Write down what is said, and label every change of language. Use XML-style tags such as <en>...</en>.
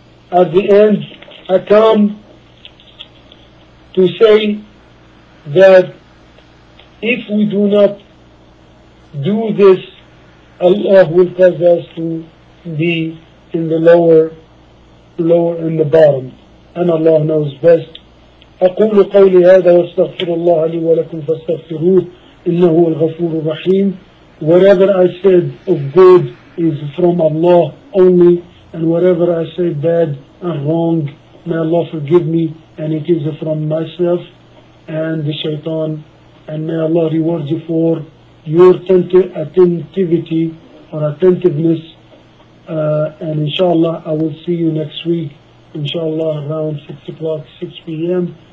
<en>At the end, I come to say that if we do not do this, Allah will cause us to be in the lower in the bottom. And Allah knows best.</en> <ar>أقول قولي هذا واستغفر الله لي ولكم فاستغفروه إنه الغفور الرحيم.</ar> <en>Whatever I said of good is from Allah only, and whatever I said bad and wrong, may Allah forgive me, and it is from myself and the shaitan, and may Allah reward you for your attentivity or attentiveness, and inshallah I will see you next week, inshallah around 6 o'clock, 6 p.m.</en>